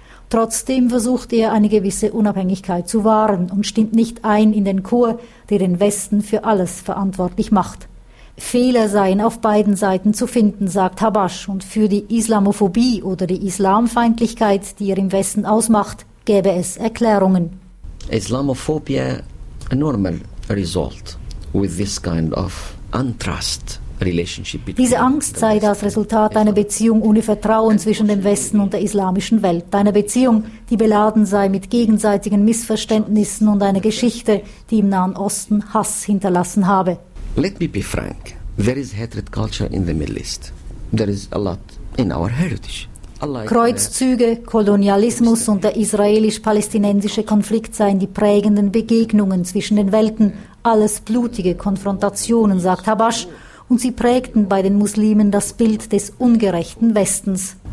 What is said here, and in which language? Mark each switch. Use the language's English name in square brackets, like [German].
[German] Trotzdem versucht er, eine gewisse Unabhängigkeit zu wahren und stimmt nicht ein in den Chor, der den Westen für alles verantwortlich macht. Fehler seien auf beiden Seiten zu finden, sagt Habash, und für die Islamophobie oder die Islamfeindlichkeit, die er im Westen ausmacht, gäbe es Erklärungen. [English] Islamophobia, a normal result with this kind of untrust relationship. [German] Diese Angst sei das Resultat einer Beziehung ohne Vertrauen zwischen dem Westen und der islamischen Welt, einer Beziehung, die beladen sei mit gegenseitigen Missverständnissen und einer Geschichte, die im Nahen Osten Hass hinterlassen habe. [English] Let me be frank. There is hatred culture in the Middle East. There is a lot in our heritage. Unlike [German] Kreuzzüge, Kolonialismus und der israelisch-palästinensische Konflikt seien die prägenden Begegnungen zwischen den Welten. Alles blutige Konfrontationen, sagt Habash, und sie prägten bei den Muslimen das Bild des ungerechten Westens.